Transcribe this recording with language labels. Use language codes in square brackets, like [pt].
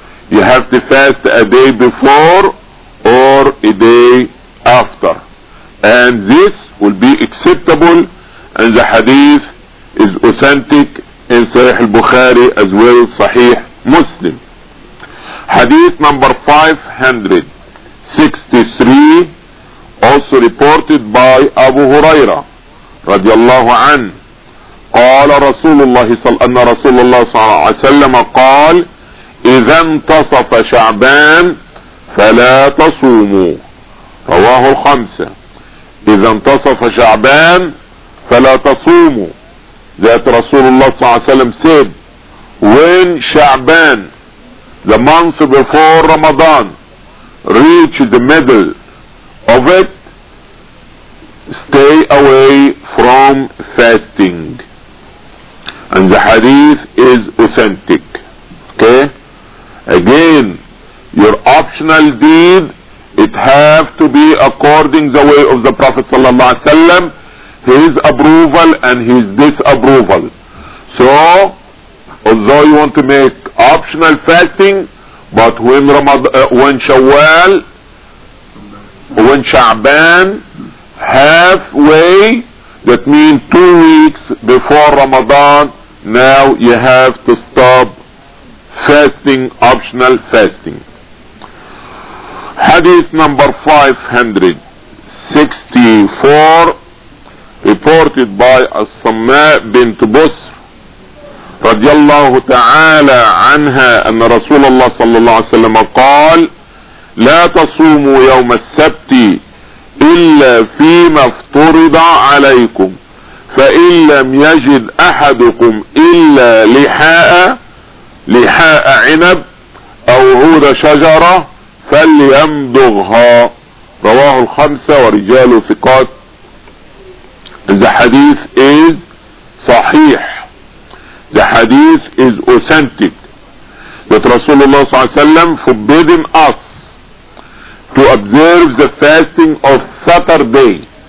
[en] You have to fast a day before or a day after. And this will be acceptable, and the hadith is authentic in Sahih al-Bukhari as well, Sahih Muslim. Hadith number 563 also reported by Abu Huraira radiallahu an, [ar] قال رسول الله صلى الله عليه وسلم قال إذا انتصف شعبان فلا تصوموا. رواه الخمسة. إذا انتصف شعبان فلا تصوموا. [en] That [ar] رسول الله صلى الله عليه وسلم [en] said, when Sha'ban, the month before Ramadan, reach the middle of it, stay away from fasting. And the hadith is authentic. Okay? Again, your optional deed, it have to be according the way of the Prophet sallallahu alaihi wasallam, his approval and his disapproval. So, although you want to make optional fasting, but when Ramadan, when Shawwal, when Sha'ban, halfway, that means 2 weeks before Ramadan, now you have to stop fasting, optional fasting. Hadith number 564, reported by As-Samma' bint Busr radiyallahu ta'ala anha, anna Rasulullah sallallahu alayhi wa sallam qal, [ar] لا تصوموا يوم السبت إلا فيما افترض عليكم فإن لم يجد أحدكم إلا لحاء عنب أو عود شجرة فليمضغها. رواه الخمسة ورجال ثقات. [en] The hadith is صحيح. The hadith is authentic. That [ar] رسول الله صلى الله عليه وسلم [en] forbidden us to observe the fasting of Saturday.